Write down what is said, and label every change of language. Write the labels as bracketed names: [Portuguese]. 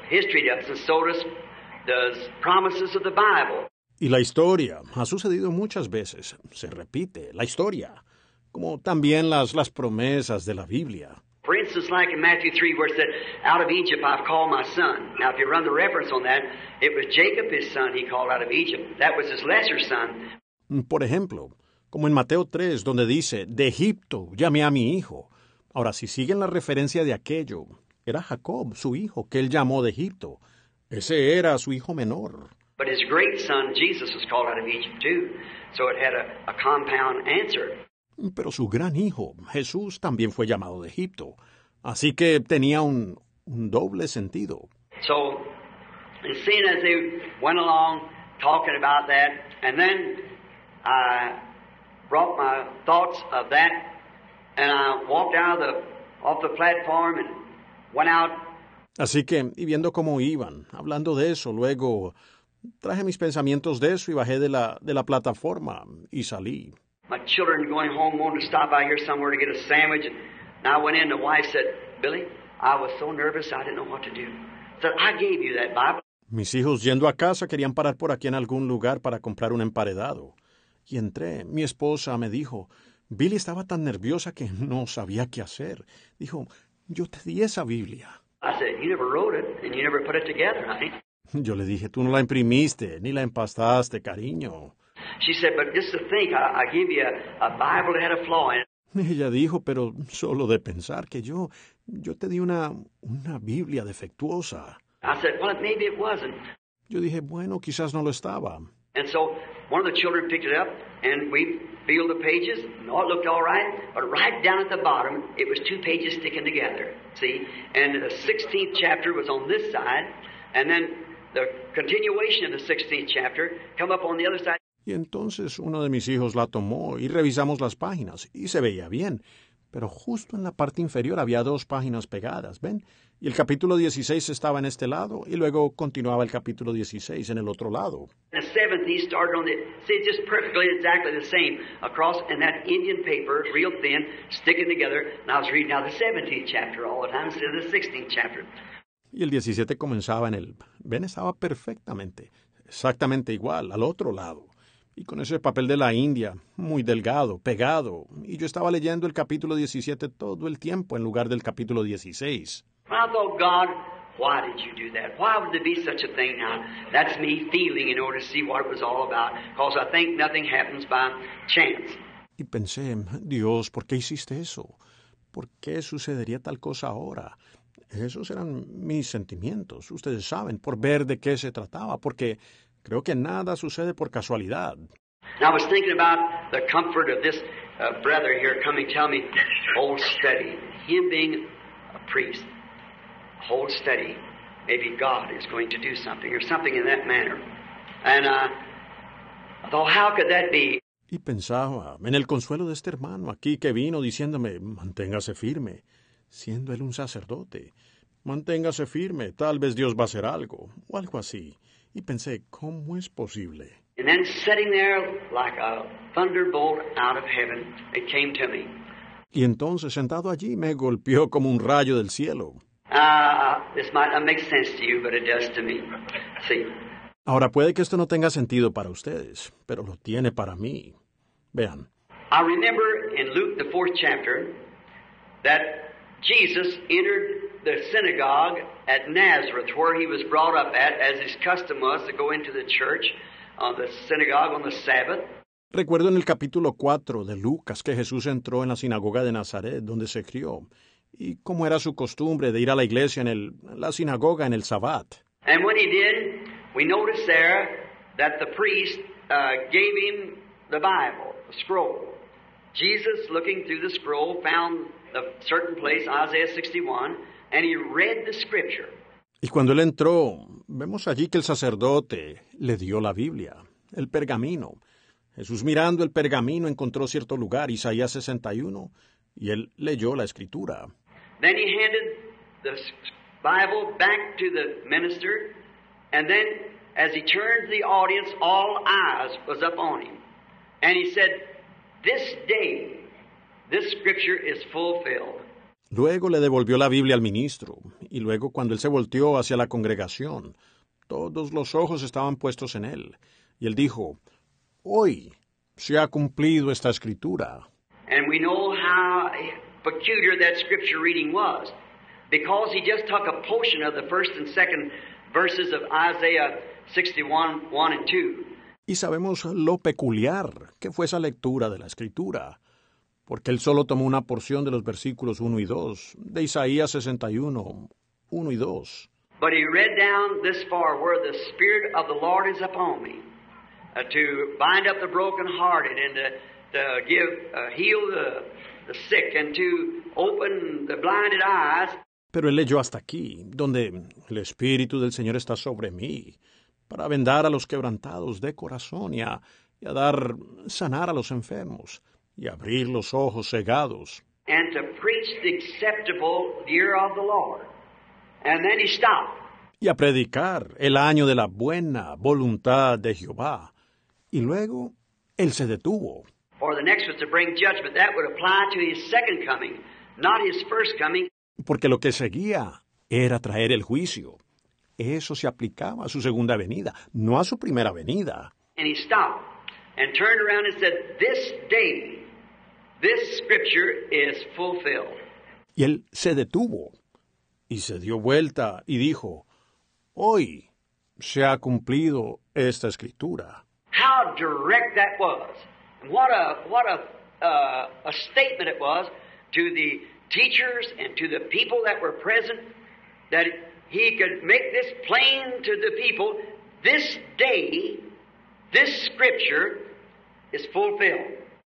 [English] History does, and so does Does promises of the Bible. [Spanish] Y la historia ha sucedido muchas veces. Se repite la historia, como también las promesas de la Biblia. [English] For instance, like in Matthew 3, where it said, "Out of Egypt I've called my son." Now, if you run the reference on that, it was Jacob, his son, he called out of Egypt. That was his lesser son. [Spanish] Por ejemplo, como en Mateo 3, donde dice, "De Egipto llamé a mi hijo." Ahora, si siguen la referencia de aquello, era Jacob, su hijo, que él llamó de Egipto. Ese era su hijo menor. [English] But his great son, Jesus, was called out of Egypt too. So it had a compound answer. [Spanish] Pero su gran hijo, Jesús, también fue llamado de Egipto. Así que tenía un doble sentido. [English] So, and seeing as they went along talking about that, and then I brought my thoughts of that, and I walked out off the platform and went out. [Spanish] Así que, y viendo cómo iban, hablando de eso, luego traje mis pensamientos de eso y bajé de la plataforma y salí. [English] My children going home wanted to stop out here somewhere to get a sandwich. And I went in, the wife said, "Billy, I was so nervous I didn't know what to do." So I gave you that Bible. [Spanish] Mis hijos yendo a casa querían parar por aquí en algún lugar para comprar un emparedado. Y entré, mi esposa me dijo, "Billy estaba tan nerviosa que no sabía qué hacer." Dijo, "Yo te di esa Biblia." [English] I said, "You never wrote it, and you never put it together, honey." [Spanish] Yo le dije, "Tú no la imprimiste, ni la empastaste, cariño." [English] She said, "But just to think, I give you a Bible that had a flaw in it." [Spanish] Ella dijo, "Pero solo de pensar que yo te di una Biblia defectuosa." [English] I said, "Well, maybe it wasn't." [Spanish] Yo dije, "Bueno, quizás no lo estaba." [English] And so one of the children picked it up, and we filled the pages. No, it looked all right, but right down at the bottom, it was two pages sticking together. See, and the 16th chapter was on this side, and then the continuation of the 16th chapter come up on the other side. [Spanish] Y entonces uno de mis hijos la tomó y revisamos las páginas y se veía bien, pero justo en la parte inferior había dos páginas pegadas, ¿ven? Y el capítulo 16 estaba en este lado y luego continuaba el capítulo 16 en el otro lado. [English] The seventh, he started on the, see, just perfectly, exactly the same, across in that Indian paper, real thin, sticking together, and I was reading now the 17th chapter all the time instead of the 16th chapter. [Spanish] Y el 17 comenzaba en el, ¿ven? Estaba perfectamente, exactamente igual, al otro lado. Y con ese papel de la India, muy delgado, pegado. Y yo estaba leyendo el capítulo 17 todo el tiempo en lugar del capítulo 16. [English] Well, I thought, God, why did you do that? Why would there be such a thing now? That's me feeling in order to see what it was all about. Because I think nothing happens by chance. [Spanish] Y pensé, Dios, ¿por qué hiciste eso? ¿Por qué sucedería tal cosa ahora? Esos eran mis sentimientos, ustedes saben, por ver de qué se trataba, porque creo que nada sucede por casualidad. [English] Now I was thinking about the comfort of this brother here coming, tell me, hold steady. Him being a priest, hold steady. Maybe God is going to do something or something in that manner. And I thought, how could that be? [Spanish] Y pensaba en el consuelo de este hermano aquí que vino diciéndome, manténgase firme, siendo él un sacerdote. Manténgase firme, tal vez Dios va a hacer algo, o algo así. Y pensé, ¿cómo es posible? [English] And then sitting there like a thunderbolt out of heaven, it came to me. [Spanish] Y entonces, sentado allí, me golpeó como un rayo del cielo. [English] This might not make sense to you, but it does to me. See? [Spanish] Ahora, puede que esto no tenga sentido para ustedes, pero lo tiene para mí. Vean. [English] I remember in Luke, the fourth chapter, that Jesus entered the synagogue at Nazareth, where he was brought up at, as his custom was to go into the church, the synagogue on the Sabbath. [Spanish] Recuerdo en el capítulo 4 de Lucas que Jesús entró en la sinagoga de Nazaret, donde se crió, y cómo era su costumbre de ir a la iglesia en la sinagoga en el Sabbat. [English] And when he did, we noticed there that the priest gave him the Bible, the scroll. Jesus, looking through the scroll, found a certain place, Isaiah 61, and he read the scripture. [Spanish] Y cuando él entró, vemos allí que el sacerdote le dio la Biblia, el pergamino. Jesús, mirando el pergamino, encontró cierto lugar, Isaías 61, y él leyó la escritura. [English] Then he handed the Bible back to the minister, and then as he turned to the audience, all eyes was up on him. And he said, this day, this scripture is fulfilled. [Spanish] Luego le devolvió la Biblia al ministro, y luego cuando él se volteó hacia la congregación, todos los ojos estaban puestos en él, y él dijo, hoy se ha cumplido esta escritura. [English] And we know how peculiar that scripture reading was, because he just took a portion of the first and second verses of Isaiah 61, 1 and 2. [Spanish] Y sabemos lo peculiar que fue esa lectura de la escritura, porque él solo tomó una porción de los versículos 1 y 2, de Isaías 61, 1 y 2. [English] But he read down this far, where the Spirit of the Lord is upon me, to bind up the brokenhearted, and to give, heal the sick, and to open the blinded eyes. [Spanish] Pero él leyó hasta aquí, donde el Espíritu del Señor está sobre mí, para vendar a los quebrantados de corazón y a dar sanar a los enfermos y abrir los ojos cegados. [English] And to preach the acceptable year of the Lord. And then he stopped. [Spanish] Y a predicar el año de la buena voluntad de Jehová. Y luego él se detuvo. [English] Or the next was to bring judgment. That would apply to his second coming, not his first coming. [Spanish] Porque lo que seguía era traer el juicio. Eso se aplicaba a su segunda venida, no a su primera venida. [English] And he stopped and turned around and said, this day, this scripture is fulfilled. [Spanish] Y él se detuvo y se dio vuelta y dijo, hoy se ha cumplido esta escritura. [English] How direct that was. And what a statement it was to the teachers and to the people that were present, that he could make this plain to the people, this day, this scripture is fulfilled.